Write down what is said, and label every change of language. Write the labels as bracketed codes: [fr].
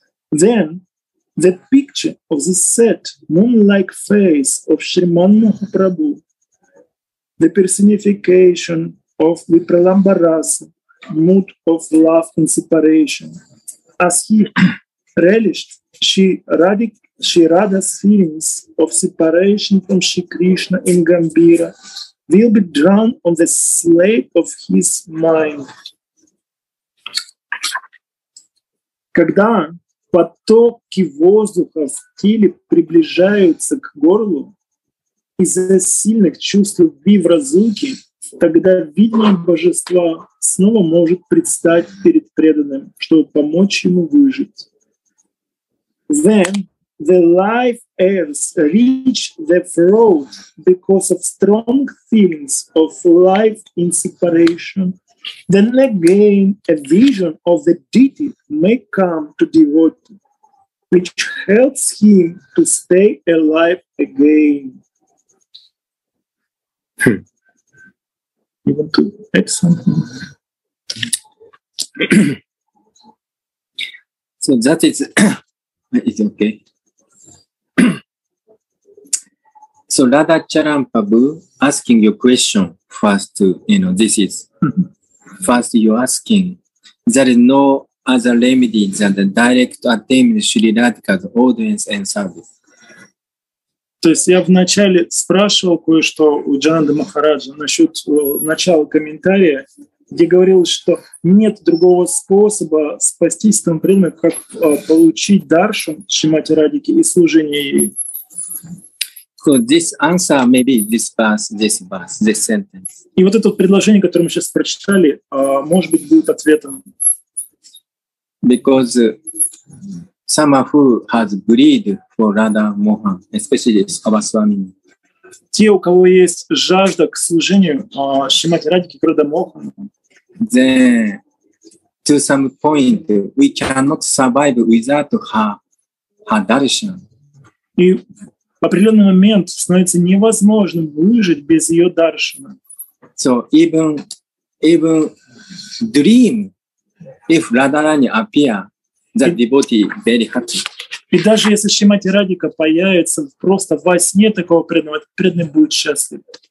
[en] Then the picture of the set moon-like face of Sriman Mahaprabhu, the personification of the Vipralamba Rasa, mood of love and separation, as he relished Shirada's feelings of separation from Shri Krishna in Gambira will be drawn on the slate of his mind. [ru] Когда потоки воздуха в теле приближаются к горлу из-за сильных чувств любви в разлуке, тогда видение божества снова может предстать перед преданным, чтобы помочь ему выжить. [en] The life airs reach the throat because of strong feelings of life in separation. Then again, a vision of the deity may come to devotee, which helps him to stay alive again. You want to add something? So that is it's okay. So Radha Charan Prabhu asking your question first, this is first you're asking, there is no other remedy than the direct attainment of Sri Radhika's audience and service. [ru] То есть я вначале спрашивал кое-что у Джананды Махараджа насчет начала комментария, где говорилось, что нет другого способа спастись в том время, как получить даршан Шримати Радхики и служение ей. [en] So this answer, maybe this sentence. [ru] И вот это предложение, которое мы сейчас прочитали, может быть, будет ответом. [en] Because someone who has greed for Radha Mohan, especially Abhaswami. [ru] Те, у кого есть жажда к служению Шримати Радхики, Радха Мохан. [en] Then, to some point, we cannot survive without her darshan. [ru] И в определенный момент становится невозможным выжить без ее даршана. [en] So even dream, if Radharani appear, the devotee very happy. [ru] И даже если Шримати Радхика появится просто во сне такого преданного, этот преданный будет счастлив.